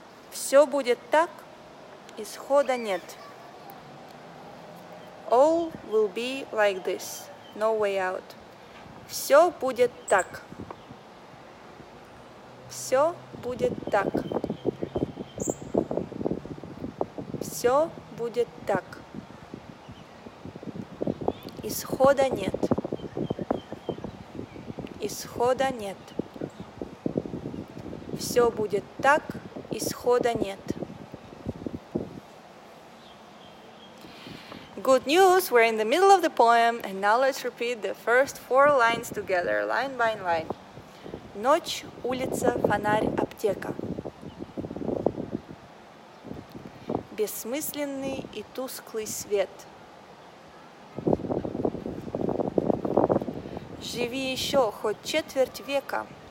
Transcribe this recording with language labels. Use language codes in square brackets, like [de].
[ru] все будет так, исхода нет. [en] All will be like this, no way out. [ru] Все будет так. Все будет так. Все будет так. Исхода нет. Исхода нет. Все будет так, исхода нет. [en] Good news, we're in the middle of the poem, and now let's repeat the first four lines together, line by line. [ru] Ночь, улица, фонарь, аптека. Бессмысленный и тусклый свет. Живи еще хоть четверть века.